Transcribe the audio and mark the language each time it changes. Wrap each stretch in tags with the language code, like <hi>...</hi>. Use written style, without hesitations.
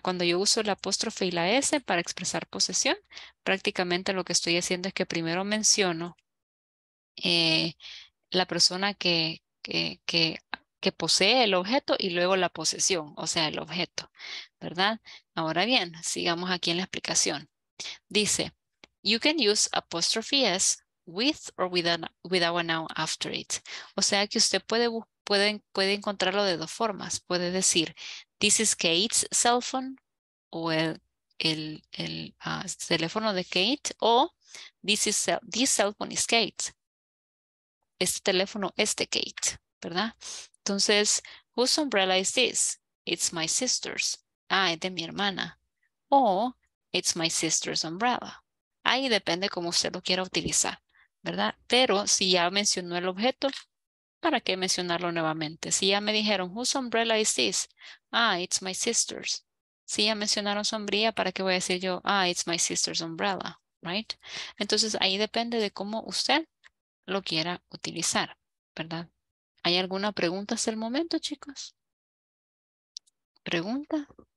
<es>Cuando yo uso la apóstrofe y la S para expresar posesión, prácticamente lo que estoy haciendo es que primero menciono la persona que posee el objeto y luego la posesión, o sea, el objeto, ¿verdad? Ahora bien, sigamos aquí en la explicación.</es> <en>Dice, you can use apostrophe S with or without a noun after it.</en> <es>O sea, que usted puede encontrarlo de dos formas. Puede decir,</es> <en>this is Kate's cell phone,</en> <es>o el teléfono de Kate, o</es> <en>this cell phone is Kate's.</en> <es>Este teléfono es de Kate, ¿verdad? Entonces,</es> <en>whose umbrella is this? It's my sister's.</en> <es>Ah, es de mi hermana.</es> <en>O, it's my sister's umbrella.</en> <es>Ahí depende cómo usted lo quiera utilizar, ¿verdad? Pero si ya mencionó el objeto, ¿para qué mencionarlo nuevamente? Si ya me dijeron,</es> <en>whose umbrella is this? Ah, it's my sister's.</en> <es>Si ya mencionaron sombrilla, ¿para qué voy a decir yo?</es> <en>Ah, it's my sister's umbrella,</en> <es>¿right? Entonces, ahí depende de cómo usted lo quiera utilizar, ¿verdad? ¿Hay alguna pregunta hasta el momento, chicos? ¿Pregunta?</es>